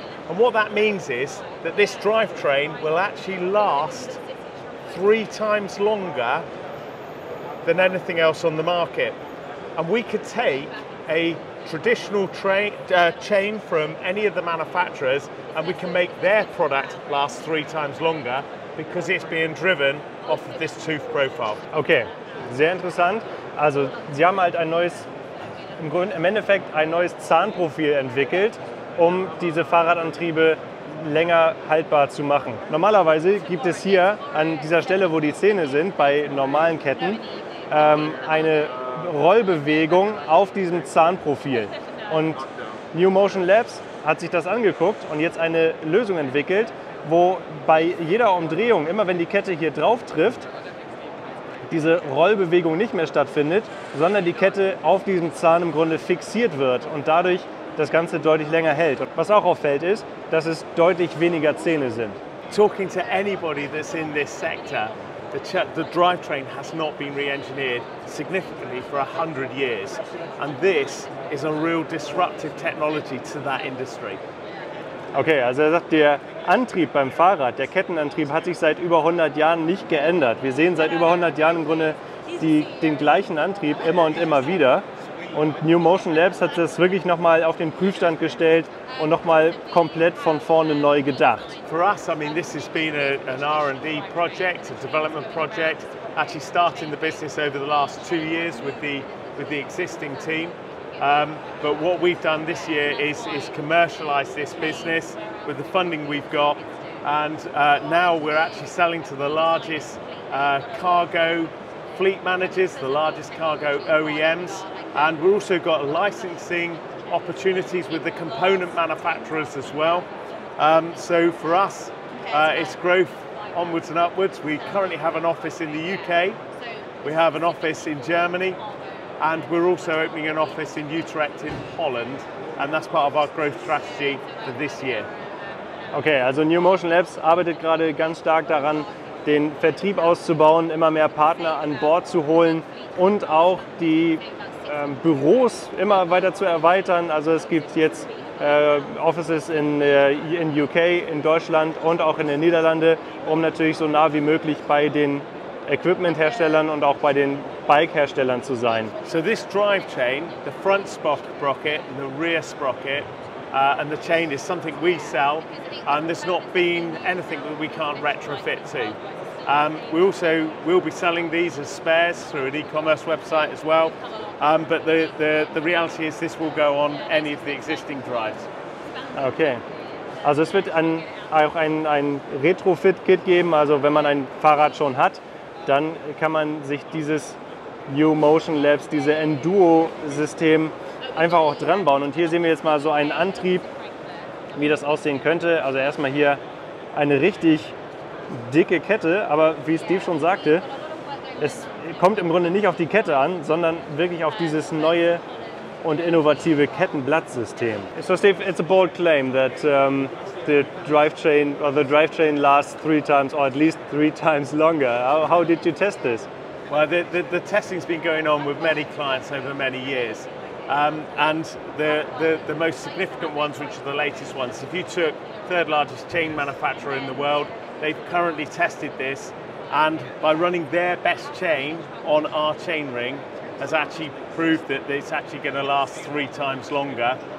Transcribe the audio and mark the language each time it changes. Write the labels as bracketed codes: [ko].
[en] And what that means is that this drivetrain will actually last 3 times longer than anything else on the market. And we could take a traditional chain from any of the manufacturers and we can make their product last 3 times longer because it's being driven off of this tooth profile. [de] Okay, sehr interessant. Also Sie haben halt ein neues, im Endeffekt ein neues Zahnprofil entwickelt, um diese Fahrradantriebe länger haltbar zu machen. Normalerweise gibt es hier an dieser Stelle, wo die Zähne sind, bei normalen Ketten, eine Rollbewegung auf diesem Zahnprofil. Und New Motion Labs hat sich das angeguckt und jetzt eine Lösung entwickelt, wo bei jeder Umdrehung, immer wenn die Kette hier drauf trifft, diese Rollbewegung nicht mehr stattfindet, sondern die Kette auf diesem Zahn im Grunde fixiert wird und dadurch das Ganze deutlich länger hält. Was auch auffällt ist, dass es deutlich weniger Zähne sind. [en] Talking to anybody that's in this sector, the drivetrain has not been re-engineered significantly for 100 years. And this is a real disruptive technology to that industry. [de] Okay, also er sagt, der Antrieb beim Fahrrad, der Kettenantrieb, hat sich seit über 100 Jahren nicht geändert. Wir sehen seit über 100 Jahren im Grunde den gleichen Antrieb immer und immer wieder. Und New Motion Labs hat das wirklich nochmal auf den Prüfstand gestellt und nochmal komplett von vorne neu gedacht. [en] For us, I mean, this has been an R&D project, a development project, actually starting the business over the last 2 years with the existing team. But what we've done this year is commercialize this business with the funding we've got. And now we're actually selling to the largest cargo fleet managers, the largest cargo OEMs. And we've also got licensing opportunities with the component manufacturers as well. So for us, it's growth onwards and upwards. We currently have an office in the UK. We have an office in Germany. And we're also opening an office in Utrecht in Holland. And that's part of our growth strategy for this year. Okay, also New Motion Labs arbeitet gerade ganz stark daran, den Vertrieb auszubauen, immer mehr Partner an Bord zu holen und auch die Büros immer weiter zu erweitern. Also es gibt jetzt Offices in UK, in Deutschland und auch in den Niederlanden, um natürlich so nah wie möglich bei den Equipment-Herstellern und auch bei den Bike-Herstellern zu sein. So this drivetrain, the front sprocket and the rear sprocket, And the chain is something we sell, and there's not been anything that we can't retrofit to. We also will be selling these as spares through an e-commerce website as well, but the reality is this will go on any of the existing drives. Okay. [de] Also es wird auch ein Retrofit-Kit geben, also wenn man ein Fahrrad schon hat, dann kann man sich dieses U-Motion Labs, diese Enduro-System einfach auch dran bauen. Und hier sehen wir jetzt mal so einen Antrieb, wie das aussehen könnte. Also erstmal hier eine richtig dicke Kette, aber wie Steve schon sagte, es kommt im Grunde nicht auf die Kette an, sondern wirklich auf dieses neue und innovative Kettenblattsystem. [en] So Steve, it's a bold claim that the drivetrain lasts three times, or at least three times longer. How did you test this? Well, the testing's been going on with many clients over many years. And the most significant ones, which are the latest ones, if you took third largest chain manufacturer in the world, they've currently tested this, and by running their best chain on our chain ring, has actually proved that it's actually going to last three times longer.